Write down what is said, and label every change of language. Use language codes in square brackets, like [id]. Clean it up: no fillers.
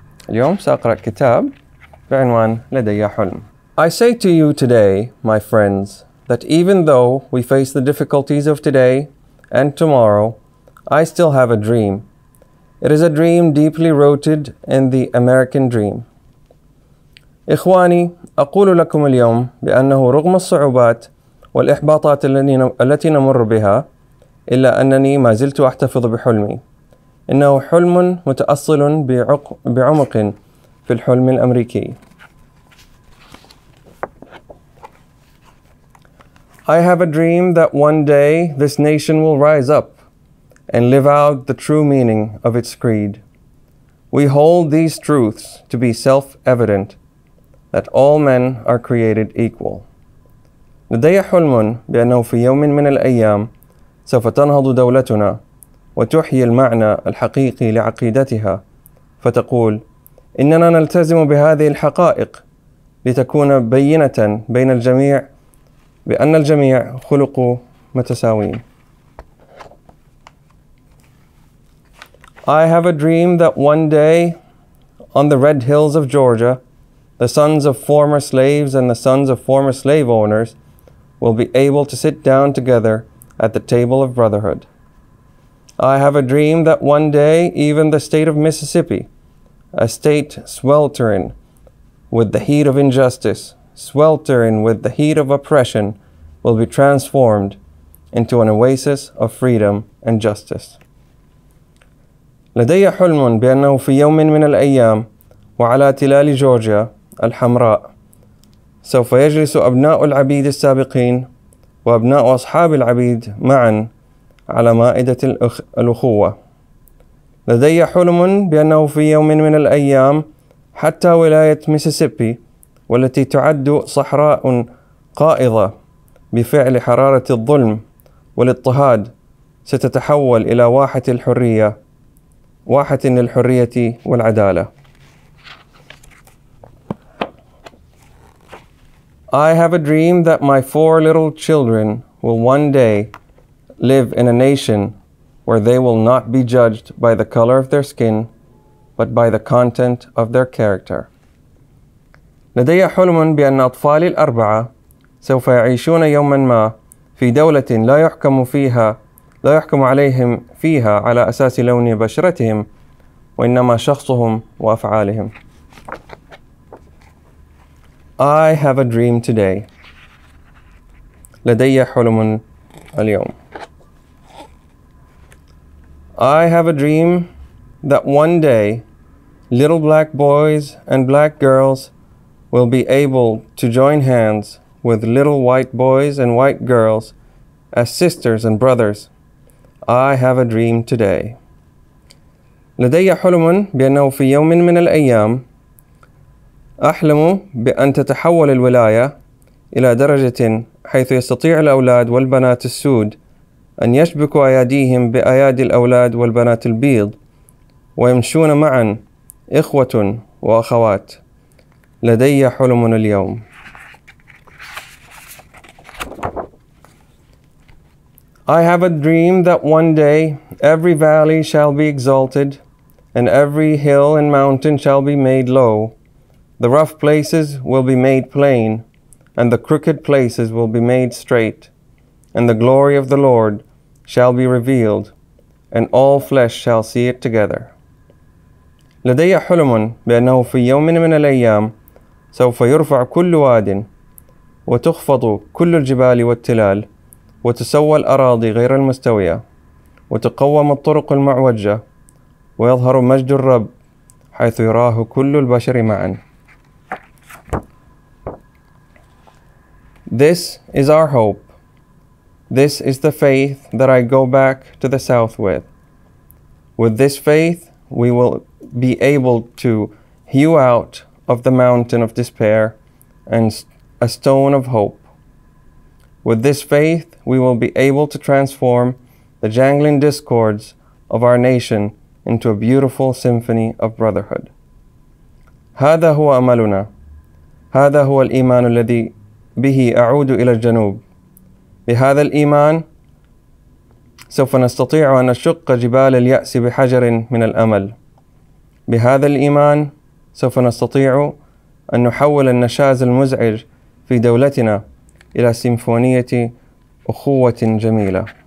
[ar] اليوم سأقرأ كتاب بعنوان لدي حلم. [en] I say to you today, my friends, that even though we face the difficulties of today and tomorrow, I still have a dream. It is a dream deeply rooted in the American dream. [ar] إخواني أقول لكم اليوم بأنه رغم الصعوبات والإحباطات التي نمر بها إلا أنني ما زلت أحتفظ بحلمي. إنه حلم متأصل بعمق في الحلم الأمريكي. [en] I have a dream that one day this nation will rise up and live out the true meaning of its creed. We hold these truths to be self-evident, that all men are created equal. [ar] لدي حلم بأنه في يوم من الأيام سوف تنهض دولتنا وتحيي المعنى الحقيقي لعقيدتها فتقول إننا نلتزم بهذه الحقائق لتكون بينة بين الجميع بأن الجميع خلقوا متساوين. [en] I have a dream that one day on the red hills of Georgia, the sons of former slaves and the sons of former slave owners will be able to sit down together at the table of brotherhood. I have a dream that one day even the state of Mississippi, a state sweltering with the heat of injustice, sweltering with the heat of oppression, will be transformed into an oasis of freedom and justice. [ar] لدي حلم بأنه في يوم من الأيام وعلى تلال جورجيا الحمراء سوف يجلس أبناء العبيد السابقين وأبناء أصحاب العبيد معا على مائدة الأخوة. لدي حلم بأنه في يوم من الأيام حتى ولاية ميسيسيبي والتي تعد صحراء قائضة بفعل حرارة الظلم والاضطهاد ستتحول إلى واحة الحرية واحة للحرية والعدالة. [en] I have a dream that my four little children will one day live in a nation where they will not be judged by the color of their skin, but by the content of their character. [ar] لدي حلم بأن أطفالي الأربعة سوف يعيشون يوما ما في دولة لا يحكم عليهم فيها على أساس لون بشرتهم وإنما شخصهم وأفعالهم. [en] I have a dream today. [ar] لدي حلم اليوم. [en] I have a dream that one day little black boys and black girls will be able to join hands with little white boys and white girls as sisters and brothers. I have a dream today. [ar] لدي حلم بأنه في يوم من الأيام أحلم بأن تتحول الولاية إلى درجة حيث يستطيع الأولاد والبنات السود أن يشبكوا أيديهم بأيادي الأولاد والبنات البيض ويمشون معا إخوة وأخوات. لدي حلم اليوم. [en] I have a dream that one day every valley shall be exalted and every hill and mountain shall be made low. The rough places will be made plain and the crooked places will be made straight and the glory of the Lord shall be revealed and all flesh shall see it together. [ar] لدي حلم بأنه في يوم من الأيام سوف يرفع كل واد وتخفض كل الجبال والتلال وتسوى الأراضي غير المستوية وتقوم الطرق المعوجة ويظهر مجد الرب حيث يراه كل البشر معا. [en] This is our hope. This is the faith that I go back to the South with. With this faith, we will be able to hew out of the mountain of despair and a stone of hope. With this faith, we will be able to transform the jangling discords of our nation into a beautiful symphony of brotherhood. [ar] هذا هو أملنا. هذا هو الإيمان الذي به أعود إلى الجنوب. بهذا الإيمان سوف نستطيع أن نشق جبال اليأس بحجر من الأمل. بهذا الإيمان سوف نستطيع أن نحول النشاز المزعج في دولتنا إلى سيمفونية أخوة جميلة.